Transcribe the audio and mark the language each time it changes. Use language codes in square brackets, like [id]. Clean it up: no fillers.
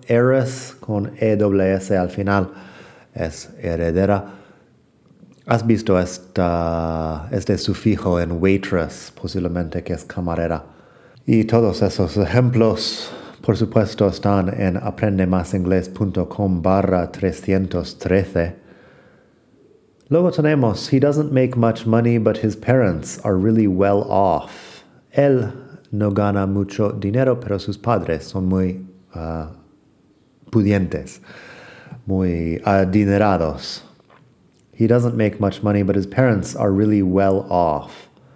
[es] Heiress con E-S-S al final es heredera. ¿Has visto este sufijo en waitress? Posiblemente que es camarera. Y todos esos ejemplos, por supuesto, están en aprendemasingles.com/313. Luego tenemos, [en] he doesn't make much money, but his parents are really well off. [es] Él no gana mucho dinero, pero sus padres son muy pudientes, muy adinerados. [en] He doesn't make much money, but his parents are really well off.